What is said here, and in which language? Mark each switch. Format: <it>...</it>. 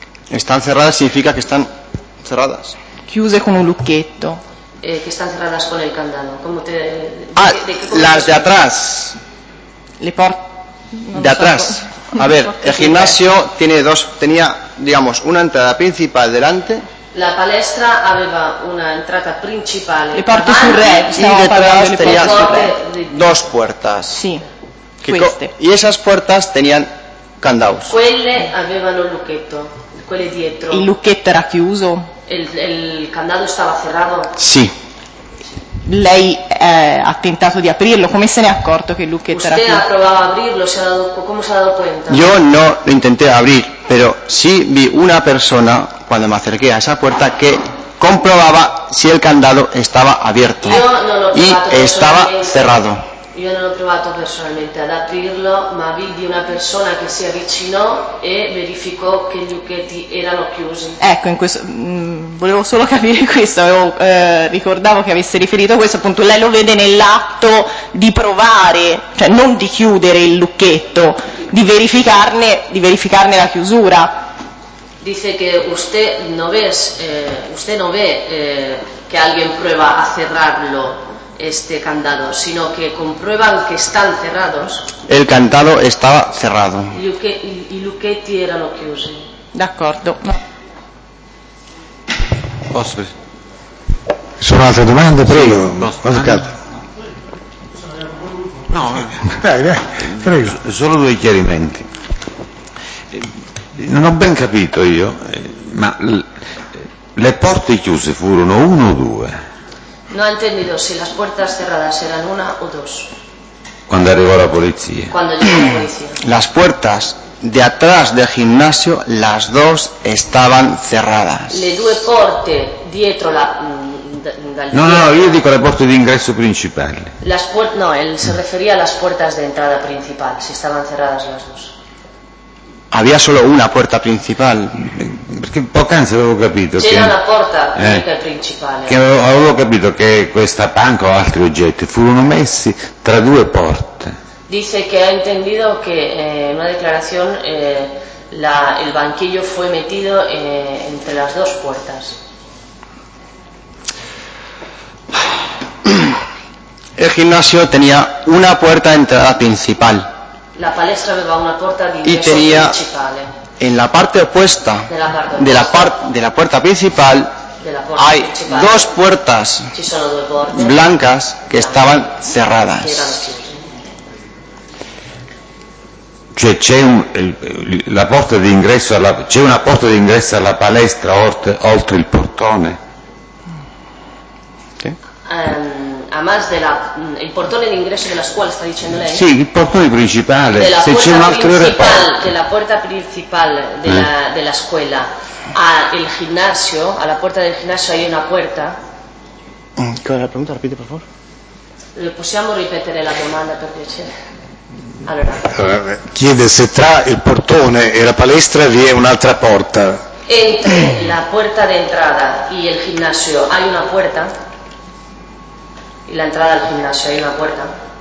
<es>Están cerradas significa che están cerradas.</es> <it>Chiuse con un lucchetto. Che stanno cerradas con il candado. Come te,</it> <es>las de atrás.</es> <it>Le porte.</it> <es>De atrás. A ver, el gimnasio tenía, digamos, una entrada principal delante.</es> <it>La palestra aveva una entrata principale. Le porte sul retro.</it> <es>Y detrás tenía dos puertas. Sí. Y esas puertas tenían candados.</es> <it>Quelle avevano un lucchetto. Quelle dietro. Il lucchetto era chiuso. Il candado stava cerrato? Sì. Lei ha tentato di aprirlo, come se ne è accorto che il lucchetto era chiuso?</it> <es>Usted</es> <it>ha provato a aprirlo, come si è dato cuenta?</it> <es>Io no lo intenté abrir, pero sí vi una persona quando me acerqué a esa puerta che comprobaba si el candado estaba abierto.</es> <it>Io non l'ho provato</it> <es>y estaba cerrado.</es> <it>Io non ho provato personalmente ad aprirlo, ma vidi una persona che si avvicinò e verificò che gli lucchetti erano chiusi. Ecco, in questo, volevo solo capire questo, ricordavo che avesse riferito questo, appunto lei lo vede nell'atto di provare, cioè non di chiudere il lucchetto, di verificarne la chiusura. Dice che</it> <es>usted no ve che alguien prueba a cerrarlo. Este candado, sino que comprueban que están cerrados. El candado estaba cerrado.</es> <it>I lucchetti erano chiusi. D'accordo. Posso? Sono altre domande, prego. Sì, no, prego. Solo due chiarimenti. Non ho ben capito io, ma le porte chiuse furono uno o due?</it> <es>No ha entendido si las puertas cerradas eran una o dos. Cuando llegó la policía. Cuando llegó la policía. Las puertas de atrás del gimnasio, las dos estaban cerradas.</es> <it>Le due porte dietro la... No, io dico le porte d'ingresso principali.</it> <es>Se refería a las puertas de entrada principal, si estaban cerradas las dos. Había solo una puerta principal.</es> <it>Perché poc'anzi avevo capito. C'era una porta principale. Che avevo capito che questa panca o altri oggetti furono messi tra due porte. Dice che ha intendito che in una dichiarazione il banchillo fu metido</it> <es>entre las dos puertas. Il gimnasio tenía una puerta de entrada principal.</es> <it>La palestra aveva una porta di ingresso principale.</it> <es>En la parte opuesta de la puerta principal hay dos puertas blancas que estaban cerradas.</es> <it>Cioè c'è la porta di ingresso alla, c'è una porta di ingresso alla palestra oltre il portone.</it> <es>A más</es> <it>della, il portone d'ingresso della scuola, sta dicendo lei? Sì, il portone principale. Della se c'è un altro reparto. Della porta principale della, della scuola al ginnasio, alla porta del ginnasio</it> <es>hai una puerta.</es> <it>Cosa la pregunta? Ripete, per favore. Le possiamo ripetere la domanda, per piacere? Allora, chiede se tra il portone e la palestra vi è un'altra porta.</it> <es>Entre la puerta d'entrada y el gimnasio hay una puerta. Y la entrada al gimnasio hay una puerta.</es>